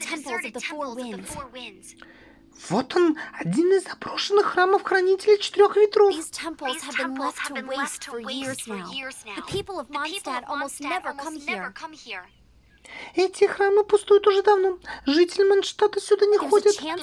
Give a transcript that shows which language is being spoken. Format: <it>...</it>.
<en>temples of the Four Winds.</en> <ru>Вот он, один из заброшенных храмов Хранителя Четырех Ветров.</ru> <en>These temples have been left to waste for years now. The people of Mondstadt almost never come here.</en> <ru>Эти храмы пустуют уже давно. Жители Манштадта сюда не ходят.</ru>